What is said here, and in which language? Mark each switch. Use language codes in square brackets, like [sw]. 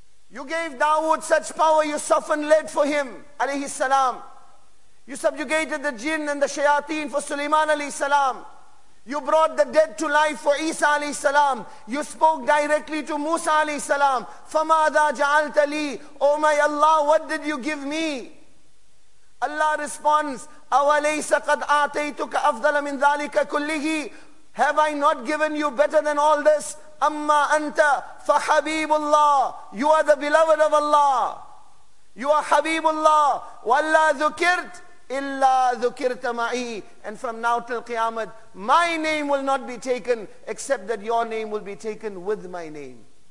[en] You gave Dawood such power, you softened lead for him, alayhi salam. You subjugated the jinn and the shayateen for Sulaiman, alayhi salam. You brought the dead to life for Isa, alayhi salam. You spoke directly to Musa, alayhi salam. [ar] فَمَاذَا جَعَلْتَ لِي. [en] Oh my Allah, what did you give me? Allah responds, [ar] أَوَلَيْسَ قَدْ آتَيْتُكَ أَفْضَلَ مِنْ ذَلِكَ كُلِّهِ. [en] Have I not given you better than all this? [ar] أَمَّا أَنْتَ فَحَبِيبُ اللَّهِ. [en] You are the beloved of Allah. You are [ar] حَبِيبُ اللَّهِ. وَاللَّا ذُكِرْتْ إِلَّا ذُكِرْتَ مَعِي. [en] And from now till Qiyamah, my name will not be taken except that your name will be taken with my name.